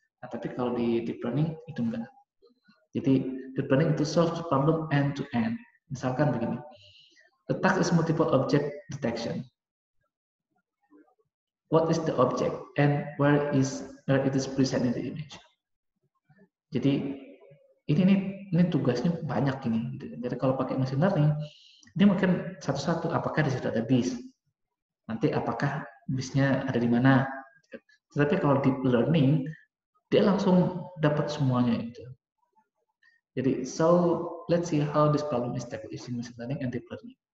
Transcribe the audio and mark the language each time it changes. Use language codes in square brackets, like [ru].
[id] Nah, tapi kalau di deep learning itu enggak. Jadi deep learning itu [en] solve the problem end to end. [id] Misalkan begini, [en] the task is multiple object detection. What is the object and where is where it is present in the image. [id] Jadi ini tugasnya banyak ini. Jadi kalau pakai machine learning, dia mungkin satu-satu apakah di situ ada bis. Nanti apakah bisnya ada di mana? Tetapi kalau deep learning, dia langsung dapat semuanya itu. Jadi [en] so let's see how this problem is tackled using machine learning and deep learning.